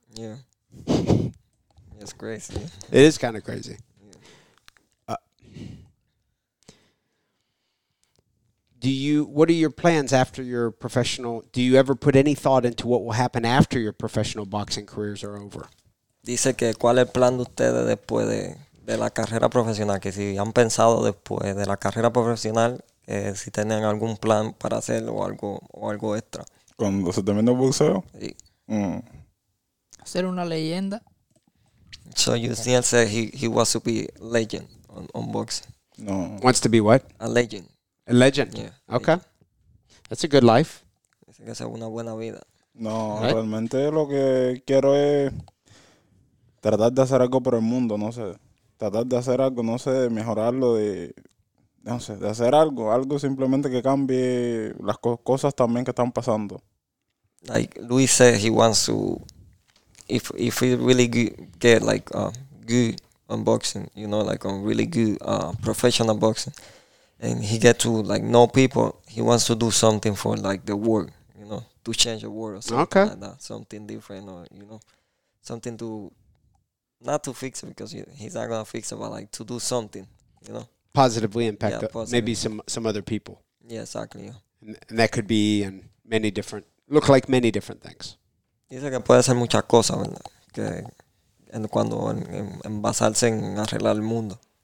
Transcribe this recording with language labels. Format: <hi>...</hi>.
<en>Yeah. It's crazy. It is kind of crazy. Yeah. What are your plans after your professional? Do you ever put any thought into what will happen after your professional boxing careers are over?</en> <es>Dice que cuál es el plan de ustedes después de la carrera profesional, que si han pensado después de la carrera profesional, si tienen algún plan para hacer o algo extra. Cuando se termine el boxeo. Sí. Ser una leyenda.</es> <en>So Yusniel said he wants to be a legend on boxing. No. Wants to be what? A legend. A legend? Yeah. Okay. Legend. That's a good life.</en> <es>Dice que es una buena vida.</es> <en>No, right?</en> <es>Realmente lo que quiero es tratar de hacer algo por el mundo, no sé. Tratar de hacer algo, no sé, de mejorarlo, de hacer algo. Algo simplemente que cambie las cosas también que están pasando.</es> <en>Like Luis said he wants to... If we really get like good on boxing, you know, like on really good professional boxing, and he get to like know people, he wants to do something for like the world, you know, to change the world or something okay. like that, something different or you know, something to not to fix it because he's not gonna fix it, but like to do something, you know, positively impact yeah, positive. Maybe some other people. Yeah, exactly. Yeah. And that could be in many different look like many different things.</en> <es>Dice que puede hacer muchas cosas, ¿verdad? Que en cuando en basarse en arreglar el mundo.</es>